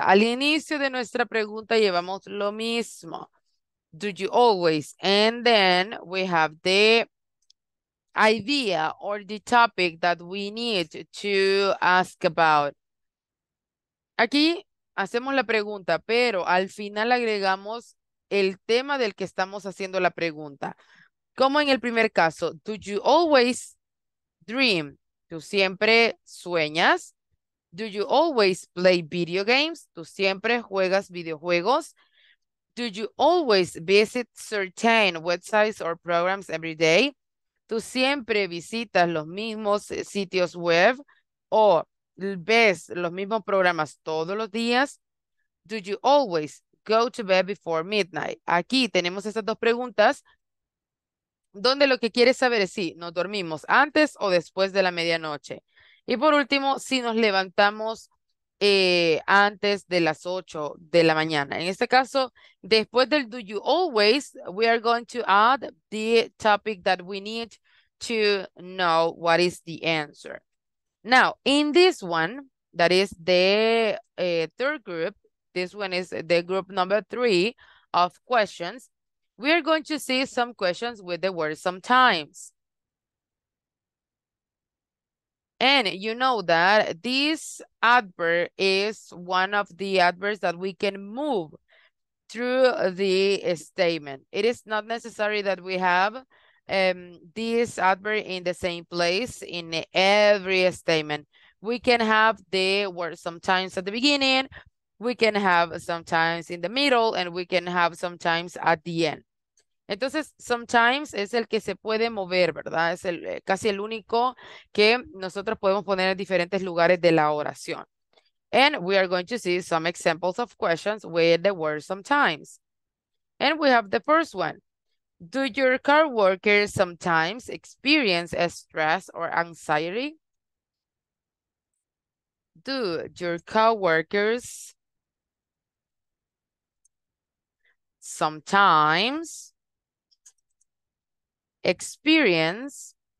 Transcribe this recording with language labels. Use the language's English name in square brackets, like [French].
[Spanish] Al inicio de nuestra pregunta llevamos lo mismo. [English] Do you always? And then we have the idea or the topic that we need to ask about. [Spanish] Aquí hacemos la pregunta, pero al final agregamos el tema del que estamos haciendo la pregunta. Como en el primer caso, [English] do you always dream? [Spanish] ¿Tú siempre sueñas? [English] Do you always play video games? [Spanish] ¿Tú siempre juegas videojuegos? [English] Do you always visit certain websites or programs every day? [Spanish] ¿Tú siempre visitas los mismos sitios web o ves los mismos programas todos los días? [English] Do you always go to bed before midnight? [Spanish] Aquí tenemos estas dos preguntas donde lo que quieres saber es si nos dormimos antes o después de la medianoche. Y por último, si nos levantamos antes de las 8 de la mañana. En este caso, después del [English] do you always, we are going to add the topic that we need to know what is the answer. Now, in this one, that is the third group, this one is the group number 3 of questions, we are going to see some questions with the word sometimes. And you know that this adverb is one of the adverbs that we can move through the statement. It is not necessary that we have this adverb in the same place in every statement. We can have the word sometimes at the beginning, we can have sometimes in the middle, and we can have sometimes at the end. [Spanish] Entonces, sometimes es el que se puede mover, ¿verdad? Es el, casi el único que nosotros podemos poner en diferentes lugares de la oración. [English] And we are going to see some examples of questions with the word sometimes. And we have the first one. Do your coworkers sometimes experience stress or anxiety? Do your coworkers sometimes experience?